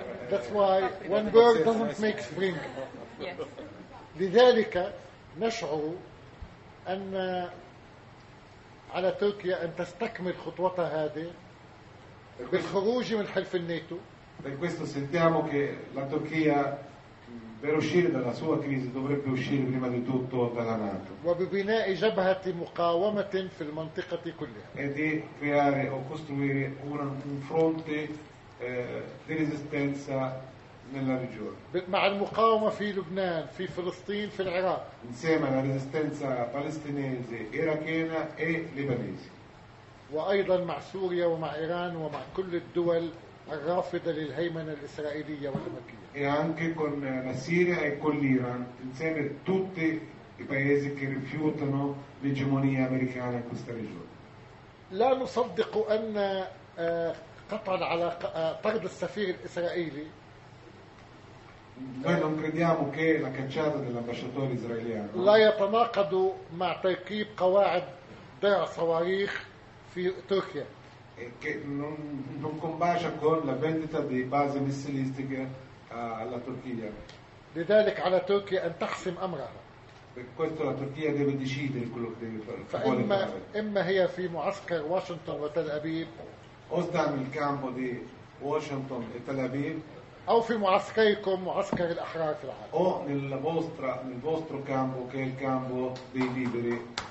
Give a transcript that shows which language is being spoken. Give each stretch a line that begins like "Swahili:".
English: That's why one bird doesn't make spring.
Arabic: لذلك نشعر أن على تركيا أن تستكمل خطوتها هذه بالخروج من حلف الناتو.
Italian: Per questo sentiamo che la Turchia per uscire dalla sua crisi dovrebbe uscire prima di tutto dalla NATO.
Arabic: وببناء جبهة مقاومة في المنطقة كلها.
Italian: E di creare o costruire un fronte di resistenza nella regione.
Arabic: مع المقاومة في لبنان، في فلسطين، في العراق.
Italian: Insieme alla resistenza palestinese, irachena e libanese.
Arabic: وأيضا مع سوريا ومع إيران ومع كل الدول الرافضة للهيمنة الإسرائيلية والأمريكية.
Italian: E anche con la Siria e con l'Iran, insieme a tutti i paesi che rifiutano l'egemonia americana in questa regione.
Arabic: لا نصدق أن قطع على طرد السفير الإسرائيلي.
Italian: Noi non crediamo che la cacciata dell'ambasciatore israeliano
Arabic: لا يتناقض مع تركيب قواعد ضع صواريخ في تركيا.
Italian: Che non combacia con la vendita di basi missilistiche alla Turchia.
Arabic: لذلك على تركيا أن تحسم أمرها.
Italian: Per questo la Turchia deve decidere quello che deve fare.
Arabic: فإما هي في معسكر واشنطن وتل أبيب.
Italian: O sta nel campo di Washington e Tel Aviv.
Arabic: أو في معسكركم معسكر الأحرار في العالم.
Italian: O nel vostro campo che è il campo dei liberi.